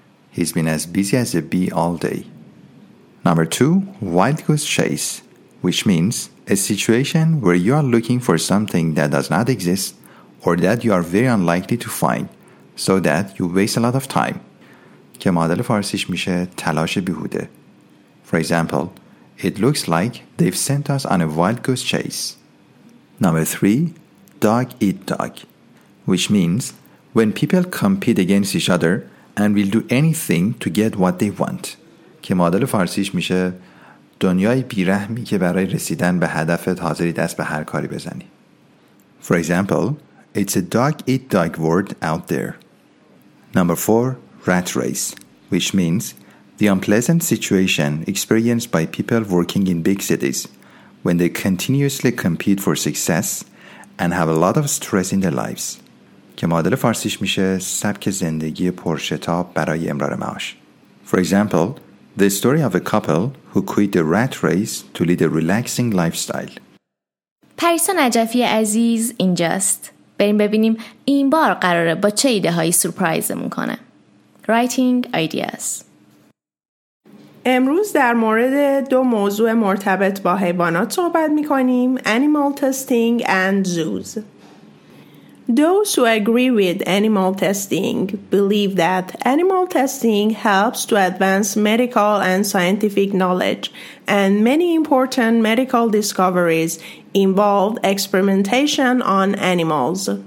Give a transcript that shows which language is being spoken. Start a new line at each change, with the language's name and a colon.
English: He's been as busy as a bee all day. Number 2 wild goose chase which means a situation where you are looking for something that does not exist or that you are very unlikely to find so that you waste a lot of time.
Persian: که معادل فارسیش میشه تلاش بیهوده.
English: For example, it looks like they've sent us on a wild goose chase. Number 3. Dog eat dog. Which means when people compete against each other and will do anything to get what they want.
Persian: که معادل فارسیش میشه دنیای بیرحمی که برای رسیدن به هدفت حاضری دست به هر کاری بزنی.
English: For example, it's a dog-eat-dog world out there. Number 4. Rat race, which means the unpleasant situation experienced by people working in big cities when they continuously compete for success and have a lot of stress in their lives.
Persian: که معادل فارسیش میشه سبک زندگی پرشتاب برای امرار معاش.
English: For example, the story of a couple who quit the rat race to lead a relaxing lifestyle.
Persian: پریسا نجفی عزیز اینجاست. بریم ببینیم این بار قراره با چه ایده هایی سورپرایزمون کنه.
English: Writing ideas.
Persian: امروز در مورد دو موضوع مرتبط با حیوانات صحبت می‌کنیم:
English: animal testing and zoos. Those who agree with animal testing believe that animal testing helps to advance medical and scientific knowledge, and many important medical discoveries involve experimentation on animals.